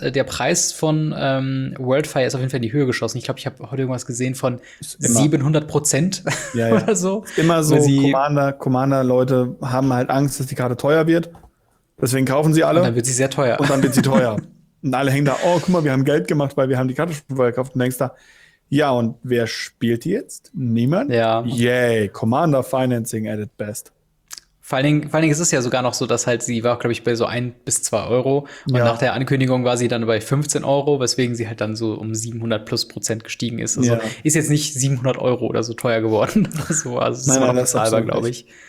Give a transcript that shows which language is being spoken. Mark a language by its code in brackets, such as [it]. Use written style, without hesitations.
[de] Der Preis von Worldfire ist auf jeden Fall in die Höhe geschossen. Ich glaube, ich habe heute irgendwas gesehen von 700% oder so. Immer so, Commander-Leute haben halt Angst, dass die Karte teuer wird. Deswegen kaufen sie alle. Und dann wird sie sehr teuer. Und dann wird sie teuer. Und alle hängen da, oh, guck mal, wir haben Geld gemacht, weil wir haben die Karte schon vorher gekauft. Und denkst da, ja, und wer spielt die jetzt? Niemand? Ja. [en] Yay, Commander Financing at its best. [de] Vor allen Dingen ist es ja sogar noch so, dass halt sie war, glaube ich, bei so 1 bis 2 Euro. Und Nach der Ankündigung war sie dann bei 15 Euro, weswegen sie halt dann so um 700%+ gestiegen ist. Also Ist jetzt nicht 700 € oder so teuer geworden. Nein, war noch bezahlbar, glaube ich.